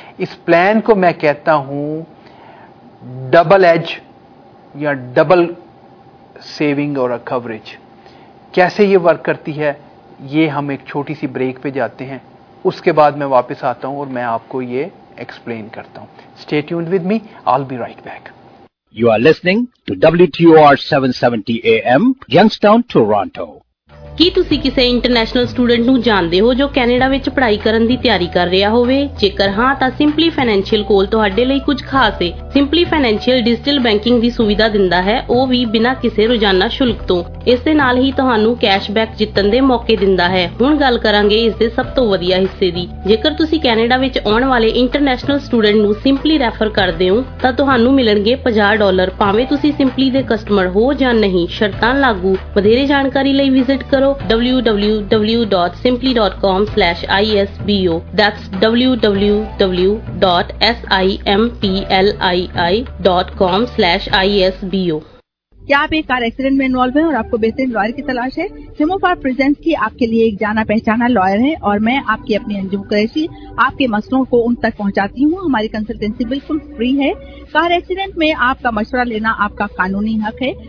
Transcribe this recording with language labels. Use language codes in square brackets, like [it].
[ur] اس plan کو میں کہتا ہوں ڈبل ایج یا ڈبل سیونگ اور کوریج. کیسے یہ ورک کرتی ہے یہ ہم ایک چھوٹی سی بریک پہ جاتے ہیں, اس کے بعد میں واپس آتا ہوں اور میں آپ کو یہ ایکسپلین کرتا ہوں. [en] Stay tuned with me, I'll be right back. You are listening to WTOR 770 AM, Youngstown, Toronto. [pa] ਕੀ ਤੁਸੀਂ ਕਿਸੇ ਇੰਟਰਨੈਸ਼ਨਲ ਸਟੂਡੈਂਟ ਨੂੰ ਜਾਣਦੇ ਹੋ ਜੋ ਕੈਨੇਡਾ ਵਿੱਚ ਪੜ੍ਹਾਈ ਕਰਨ ਦੀ ਤਿਆਰੀ ਕਰ ਰਿਹਾ ਹੋਵੇ? ਜੇਕਰ ਹਾਂ ਤਾਂ ਸਿੰਪਲੀ ਫਾਈਨੈਂਸ਼ੀਅਲ ਕੋਲ ਤੁਹਾਡੇ ਲਈ ਕੁਝ ਖਾਸ ਹੈ. ਸਿੰਪਲੀ ਫਾਈਨੈਂਸ਼ੀਅਲ ਡਿਜੀਟਲ ਬੈਂਕਿੰਗ ਦੀ ਸੁਵਿਧਾ ਦਿੰਦਾ ਹੈ, ਉਹ ਵੀ ਬਿਨਾਂ ਕਿਸੇ ਰੋਜ਼ਾਨਾ ਸ਼ੁਲਕ ਤੋਂ. ਇਸ ਦੇ ਨਾਲ ਹੀ ਤੁਹਾਨੂੰ ਕੈਸ਼ਬੈਕ ਜਿੱਤਣ ਦੇ ਮੌਕੇ ਦਿੰਦਾ ਹੈ. ਹੁਣ ਗੱਲ ਕਰਾਂਗੇ ਇਸ ਦੇ ਸਭ ਤੋਂ ਵਧੀਆ ਹਿੱਸੇ ਦੀ. ਜੇਕਰ ਤੁਸੀਂ ਕੈਨੇਡਾ ਵਿੱਚ ਆਉਣ ਵਾਲੇ ਇੰਟਰਨੈਸ਼ਨਲ ਸਟੂਡੈਂਟ ਨੂੰ ਸਿੰਪਲੀ ਰੈਫਰ ਕਰਦੇ ਹੋ ਤਾਂ ਤੁਹਾਨੂੰ ਮਿਲਣਗੇ $50 ਭਾਵੇਂ ਤੁਸੀਂ ਸਿੰਪਲੀ ਦੇ ਕਸਟਮਰ ਹੋ ਜਾਂ ਨਹੀਂ. ਸ਼ਰਤਾਂ ਲਾਗੂ. ਵਧੇਰੇ ਜਾਣਕਾਰੀ ਲਈ ਵਿਜ਼ਿਟ ਕਰੋ www.simply.com/isbo. That's www.simply.com/isbo. [ur] کیا آپ ایک کار ایکسیڈنٹ میں انوالو ہیں اور آپ کو بہترین لائر کی تلاش ہے؟ سیموفار پریزنس کی آپ کے لیے ایک جانا پہچانا لائر ہے اور میں آپ کی اپنی انجم قریشی آپ کے مسئلوں کو ان تک پہنچاتی ہوں. ہماری کنسلٹنسی بالکل فری ہے. کار ایکسیڈنٹ میں آپ کا مشورہ لینا آپ کا قانونی حق ہے.